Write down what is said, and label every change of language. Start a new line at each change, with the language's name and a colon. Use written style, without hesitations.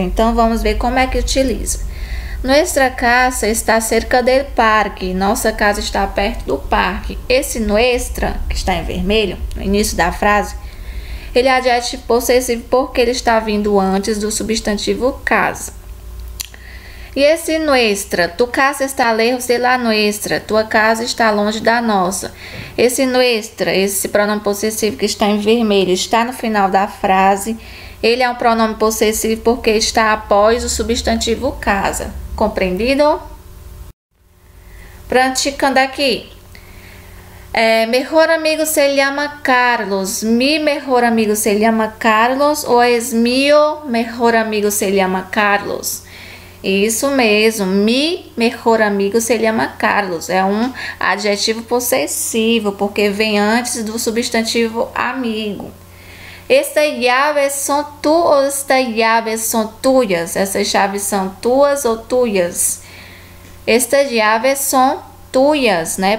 Portuguese: Então, vamos ver como é que utiliza. Nuestra casa está cerca del parque. Nossa casa está perto do parque. Esse nuestra, que está em vermelho, no início da frase, ele é adjetivo possessivo porque ele está vindo antes do substantivo casa. E esse nuestra?
Spanish: Tu casa está lejos de la nuestra.
Portuguese: Tua casa está longe da nossa. Esse nuestra, esse pronome possessivo que está em vermelho, está no final da frase. Ele é um pronome possessivo porque está após o substantivo casa. Compreendido? Praticando aqui.
Spanish: Mejor amigo se llama Carlos. Mi mejor amigo se llama Carlos. Ou es mio mejor amigo se llama Carlos.
Portuguese: Isso mesmo.
Spanish: Mi mejor amigo se llama Carlos.
Portuguese: É um adjetivo possessivo, porque vem antes do substantivo amigo. Estas llaves são tu ou estas llaves são tuas? Essas chaves são tuas ou tuas? Estas llaves são tuas, né?